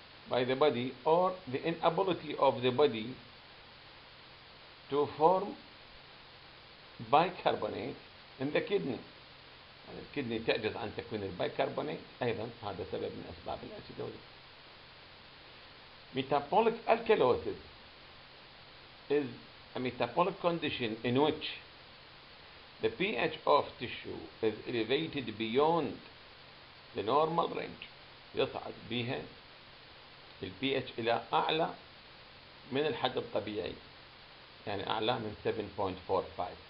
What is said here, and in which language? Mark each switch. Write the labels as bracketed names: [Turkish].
[English] By the body or the inability of the body to form bicarbonate in the kidney. [Arabic] يعني الكدني تعجز عن تكوين البيكربونات، ايضا هذا سبب من اسباب الاسيدوز. [English] Metabolic alkalosis is a metabolic condition in which the pH of tissue is elevated beyond the normal range. [Arabic] يصعد بها الـ pH إلى أعلى من الحد الطبيعي، يعني أعلى من 7.45.